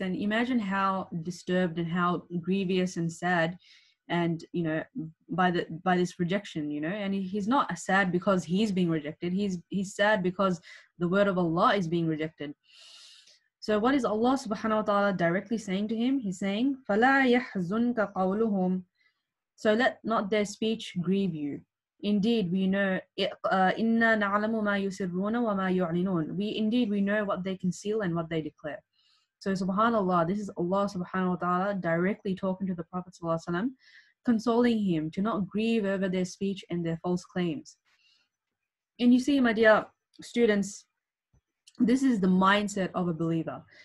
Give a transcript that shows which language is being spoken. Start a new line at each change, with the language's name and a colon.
English: And imagine how disturbed and how grievous and sad and, you know, by this rejection, you know. And he's not sad because he's being rejected. He's sad because the word of Allah is being rejected. So what is Allah subhanahu wa ta'ala directly saying to him? He's saying,
Arabic: فَلَا يَحْزُنْكَ قَوْلُهُمْ.
English: So let not their speech grieve you. Indeed, we know,
Arabic: إِنَّا نَعْلَمُ مَا يُسِرُّونَ وَمَا يُعْلِنُونَ.
English: We know what they conceal and what they declare. So subhanAllah, this is Allah subhanahu wa ta'ala directly talking to the Prophet sallallahu alayhi wa sallam, consoling him to not grieve over their speech and their false claims. And you see, my dear students, this is the mindset of a believer.